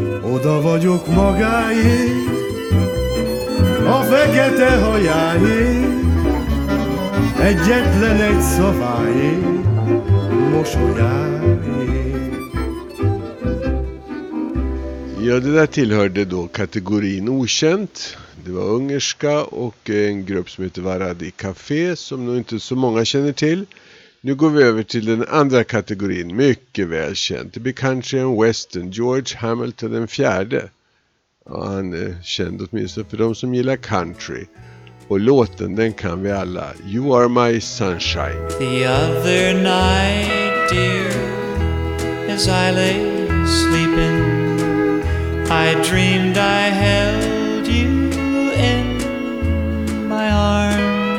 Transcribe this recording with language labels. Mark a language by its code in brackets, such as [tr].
[hu] Oda vagyok magáé, a fekete hajáé, egyetlen egy szaváé, mosolyáé. [sv] Ja, det där tillhörde då kategorin okänt. Det var ungerska och en grupp som heter Varadi Café som nog inte så många känner till. Nu går vi över till den andra kategorin, mycket välkänt. Det blir kanske en western, George Hamilton den fjärde. Ja, han är känd åtminstone för de som gillar country. Och låten, den kan vi alla. You are my sunshine. [en] The other night, dear, as I lay sleeping, I dreamed I held you in my arms.